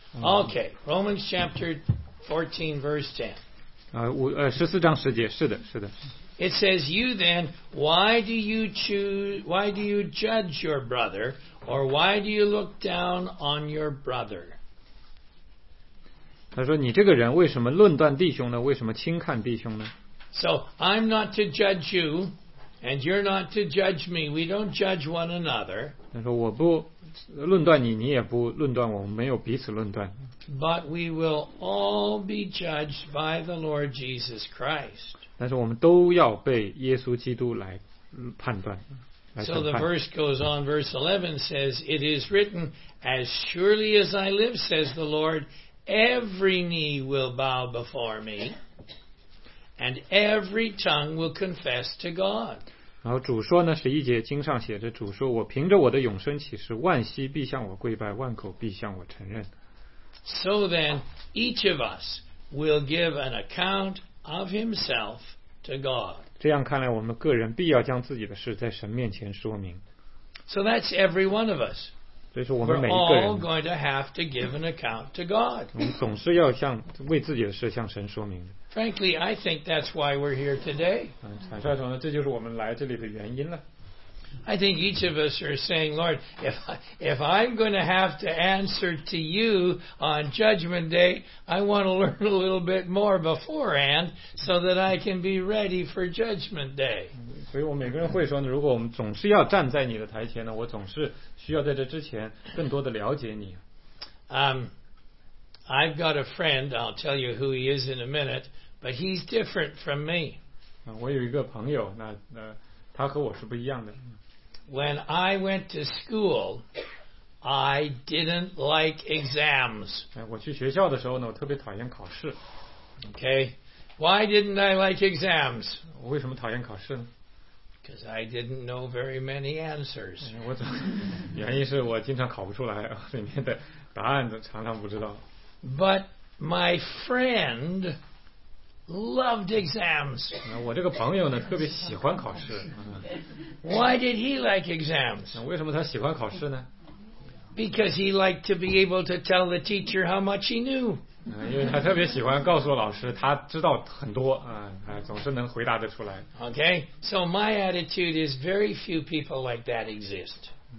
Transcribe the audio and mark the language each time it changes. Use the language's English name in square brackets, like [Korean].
[English] Okay, Romans chapter 14, verse 10. [Chinese] 十四章十节，是的，是的。 [English] It says, "You then, why do you judge your brother, or why do you look down on your brother?" [Chinese] 他说：“你这个人为什么论断弟兄呢？为什么轻看弟兄呢？” [English] So I'm not to judge you, and you're not to judge me. We don't judge one another. [Chinese] 他说：“我不论断你，你也不论断我，没有彼此论断。” [English] But we will all be judged by the Lord Jesus Christ. [Chinese] 但是我们都要被耶稣基督来判断。 [English] So the verse goes on, verse 11 says, "It is written, as surely as I live, says the Lord, every knee will bow before me, and every tongue will confess to God." [Chinese] 然后主说呢，十一节经上写着，主说，我凭着我的永生启示，万膝必向我跪拜，万口必向我承认。 [English] So then, each of us will give an account of himself to God. [Chinese] 这样看来，我们个人必要将自己的事在神面前说明。 [English] So that's every one of us. We're all going to have to give an account to God. [Chinese] 总是要向为自己的事向神说明。 [English] Frankly, I think that's why we're here today. [Chinese] 坦率说呢，这就是我们来这里的原因了。 [English] I think each of us are saying, Lord, if I'm going to have to answer to you on Judgment Day, I want to learn a little bit more beforehand so that I can be ready for Judgment Day. [Chinese] 所以我每个人会说呢，如果我们总是要站在你的台前呢，我总是需要在这之前更多的了解你。 [English] I've got a friend, I'll tell you who he is in a minute, but he's different from me. [Chinese] 我有一个朋友，那他和我是不一样的。 [English] When I went to school, I didn't like exams. [Chinese] 我去学校的时候呢，我特别讨厌考试。 [English] Okay, why didn't I like exams? [Chinese] 我为什么讨厌考试呢？ [English] Because I didn't know very many answers. [Chinese] 原因是我经常考不出来，里面的答案都常常不知道。 [English] But my friend loved exams. [Chinese] 我这个朋友呢，特别喜欢考试。 [English] Why did he like exams? [Chinese] 为什么他喜欢考试呢？ [English] Because he liked to be able to tell the teacher how much he knew. [Chinese] 因为他特别喜欢告诉老师他知道很多，总是能回答得出来。 [English] Okay, so my attitude is very few people like that exist.